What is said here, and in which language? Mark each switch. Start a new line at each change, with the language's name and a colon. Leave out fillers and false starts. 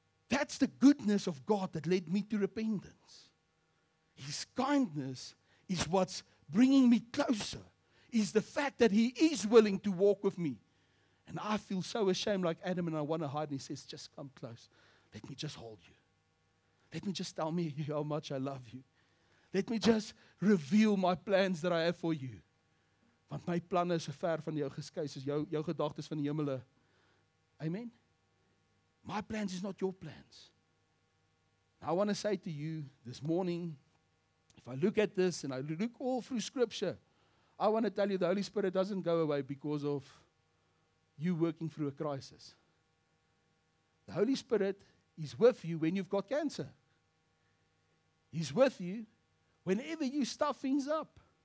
English: That's the goodness of God that led me to repentance. His kindness is what's bringing me closer. Is the fact that he is willing to walk with me. And I feel so ashamed like Adam and I want to hide. And he says, just come close. Let me just hold you. Let me just tell me how much I love you. Let me just reveal my plans that I have for you.
Afrikaans: Want my plan is so ver van jou geskei, soos jou gedagtes van die hemel.
English: Amen. My plans is not your plans. Now I want to say to you this morning, if I look at this and I look all through scripture, I want to tell you the Holy Spirit doesn't go away because of you working through a crisis. The Holy Spirit is with you when you've got cancer. He's with you whenever you stuff things up.